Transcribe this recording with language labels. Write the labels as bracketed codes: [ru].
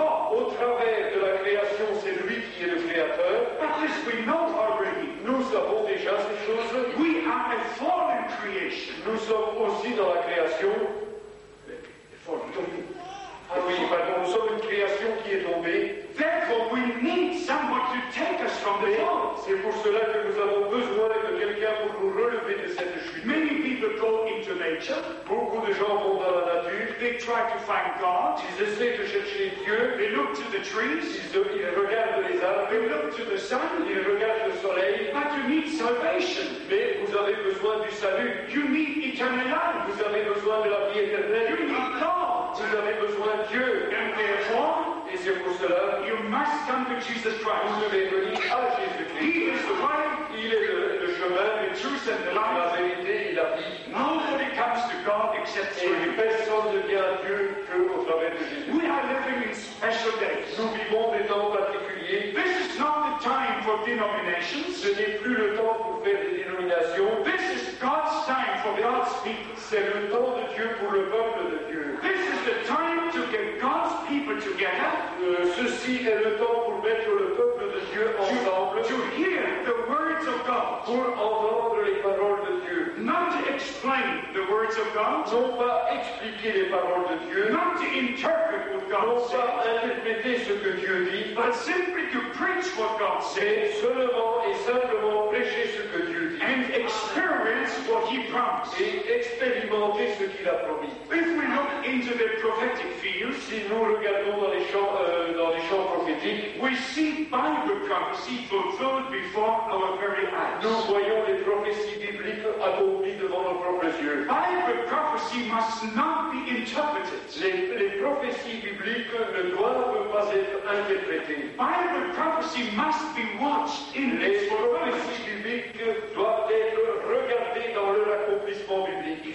[fr] Au travers de la création, c'est lui qui est le créateur. [en] But this we know already. [fr] Nous savons déjà ces choses. [en] We are a fallen creation. [fr] Nous sommes aussi dans la création. Ah oui, pardon, nous sommes une création qui est tombée. [en] Therefore, we need someone to take us from the fall. [fr] C'est pour cela que nous avons besoin de quelqu'un pour nous relever de cette chute. [en] Many people go into nature. [fr] Beaucoup de gens vont dans la nature. [en] They try to find God. [fr] Ils essaient de chercher Dieu. [en] They look to the trees. [fr] Ils regardent les arbres. [en] They look to the sun. [fr] Ils regardent le soleil. [en] But you need salvation. [fr] Mais vous avez besoin du salut. [en] You need eternal life. [fr] Vous avez besoin de la vie éternelle. [en] You need God. [fr] Vous avez besoin de Dieu. [en] And therefore, [fr] et c'est pour cela, [en] you must come to Jesus Christ. [fr] Vous devez venir à Jésus-Christ. [en] He is the way. [fr] Il est le chemin, [en] the truth and the life. [fr] La vérité et la vie. [en] Nobody comes to God except through Him. [fr] Personne ne vient à Dieu qu'au travers de Jésus. [en] We are living in special days. [fr] Nous vivons des temps particuliers. [en] This is not the time for denominations. [fr] Ce n'est plus le temps pour faire des dénominations. [en] This is God's time for God's people. [fr] C'est le temps de Dieu. Dieu pour le peuple de Dieu. [en] This is the time to get God's people together. [fr] Ceci est le temps pour mettre le peuple de Dieu ensemble. [en] To hear the words of God. [fr] Pour entendre les paroles de Dieu. [en] Not to explain the words of God. [fr] Non pas expliquer les paroles de Dieu. [en] Not to interpret what God [fr] non [en] says. [fr] Pas interpréter ce que Dieu dit. [en] But simply to preach what God says. [fr] Seulement et simplement prêcher ce que Dieu dit. [en] And experience what He promised. [fr] Et expérimenter ce qu'il a promis. [en] If we look into the prophetic field, [fr] si nous regardons dans les champs prophétiques, [en] we see Bible prophecy fulfilled before our very eyes. [fr] Nous voyons les prophéties bibliques accomplies devant nos propres yeux. [en] Bible prophecy must not be interpreted. [fr] Les prophéties bibliques ne doivent pas être interprétées. [en] Bible prophecy must be watched in [fr] les prophéties bibliques doivent être regardées dans leur accomplissement biblique.